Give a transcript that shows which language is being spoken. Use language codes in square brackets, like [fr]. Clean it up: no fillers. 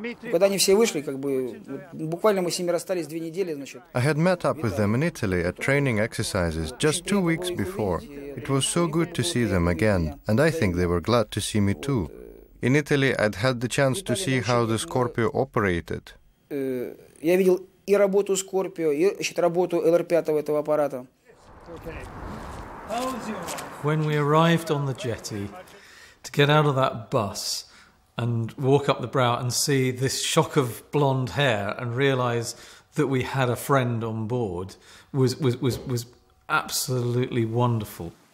[ru] Когда они все вышли, как бы буквально мы с ними расстались две недели, значит. [en] I had met up with them in Italy at training exercises just 2 weeks before. It was so good to see them again, and I think they were glad to see me too. In Italy, I'd had the chance to see how the Scorpio operated. [ru] Я видел и работу Scorpio, и значит работу LR5 этого аппарата. [en] When we arrived on the jetty, to get out of that bus and walk up the brow and see this shock of blonde hair and realise that we had a friend on board was absolutely wonderful.